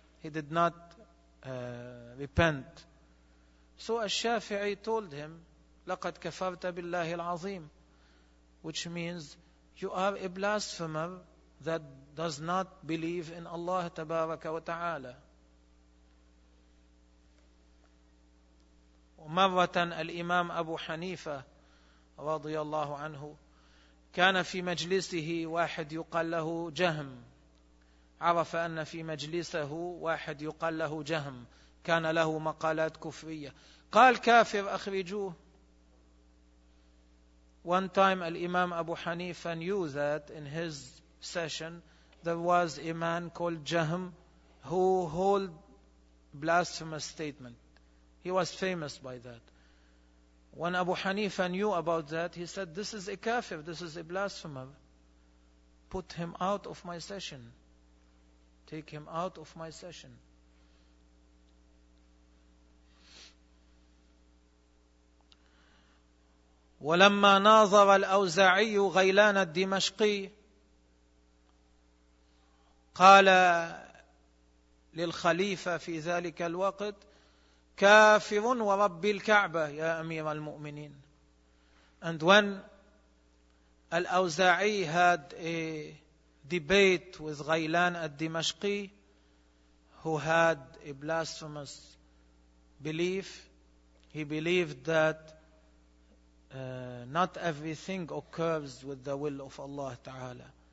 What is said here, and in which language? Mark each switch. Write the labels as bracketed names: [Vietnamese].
[English] He did not repent. So al-Shafi'i told him, [Arabic] لَقَدْ كَفَرْتَ بِاللَّهِ الْعَظِيمِ, [English] which means, you are a blasphemer that does not believe in Allah Tabaraka wa Ta'ala. [Arabic] ومرةً الإمام أبو حنيفة رضي الله عنه كان في مجلسه واحد يقال له جهم. عرف أن في مجلسه واحد يقال له جهم, كان له مقالات كفرية. قال كافر أخرجوه. [English] One time الإمام أبو حنيفة knew that in his session there was a man called Jahm who held blasphemous statement. He was famous by that. When Abu Hanifa knew about that, he said, this is a kafir, this is a blasphemer. Put him out of my session. Take him out of my session. [Arabic] ولما ناظر الأوزاعي غيلان الدمشقي قال للخليفة في ذلك الوقت كافر ورب الكعبة يا أمير المؤمنين. [English] And when الأوزاعي had a debate with غيلان الدمشقي, who had a blasphemous belief, he believed that not everything occurs with the will of Allah Ta'ala.